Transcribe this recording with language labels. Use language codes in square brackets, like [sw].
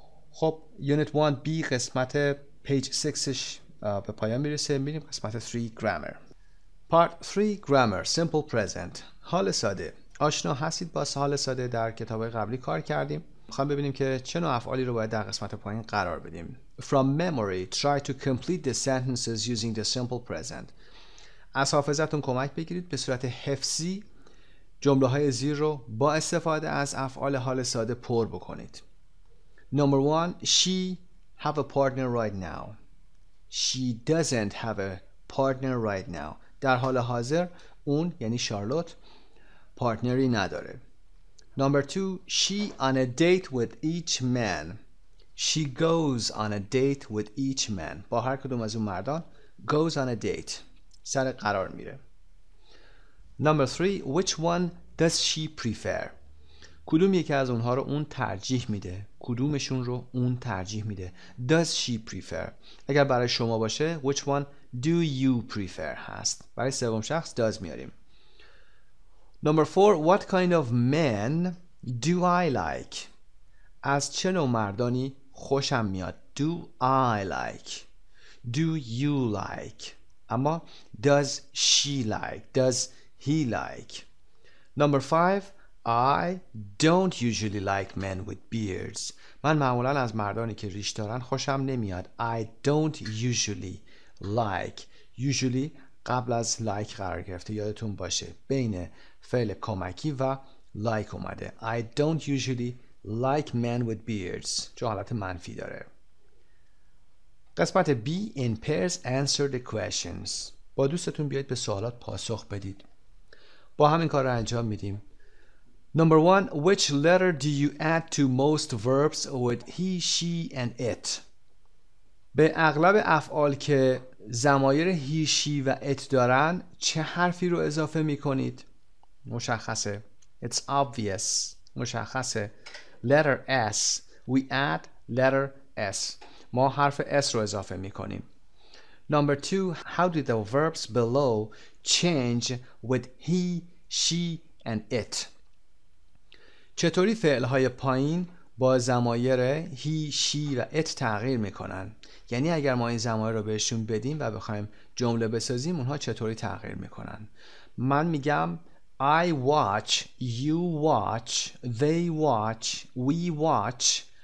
[fa] خب یونیت 1B قسمت پیج 6ش به پایان میرسه. میریم قسمت [en] 3 grammar. Part 3 grammar simple present. [fa] حال ساده. آشنا هستید با حال ساده؟ در کتاب‌های قبلی کار کردیم. می‌خوام ببینیم که چه نوع افعالی رو باید در قسمت پایین قرار بدیم. [en] From memory try to complete the sentences using the simple present. [fa] از حافظتون کمک بگیرید به صورت حفظی جمله‌های زیر رو با استفاده از افعال حال ساده پر بکنید. [en] Number 1 she have a partner right now. She doesn't have a partner right now. [fa] در حال حاضر اون یعنی شارلوت پارتنری نداره. [en] Number 2 she on a date with each man. She goes on a date with each man. [fa] با هر کدوم از اون مردان [en] goes on a date. [fa] سر قرار میره. [en] Number 3 which one does she prefer? [fa] کدوم یکی از اونها رو اون ترجیح میده؟ کدومشون رو اون ترجیح میده؟ [en] Does she prefer؟ [fa] اگر برای شما باشه [en] which one do you prefer [fa] هست. برای سوم شخص does میاریم. [en] Number 4 what kind of men do I like? [fa] از چه نوع مردانی خوشم میاد؟ [en] Do I like? Do you like? اما does she like? Does he like? Number 5 I don't usually like men with beards. [fa] من معمولا از مردانی که ریش دارن خوشم نمیاد. [en] I don't usually like. [fa] Usually قبل از like قرار گرفته، یادتون باشه بین فعل کمکی و like اومده. [en] I don't usually like men with beards چون حالت منفی داره. قسمت B in pairs answer the questions. [fa] با دوستتون بیاید به سوالات پاسخ بدید. با همین کار را انجام میدیم. [en] Number one, which letter do you add to most verbs with he, she and it? [fa] به اغلب افعال که ضمایر he, she و it دارن چه حرفی رو اضافه میکنید؟ مشخصه. [en] It's obvious. [fa] مشخصه. [en] Letter S. We add letter S. [fa] ما حرف S رو اضافه میکنیم. [en] Number two, how do the verbs below change with he, she and it? [fa] چطوری فعل‌های پایین با ضمایر هی، شی و ات تغییر میکنن؟ یعنی اگر ما این ضمایر رو بهشون بدیم و بخوایم جمله بسازیم، اونها چطوری تغییر میکنن؟ من میگم [en] I watch, you watch, they watch, we watch.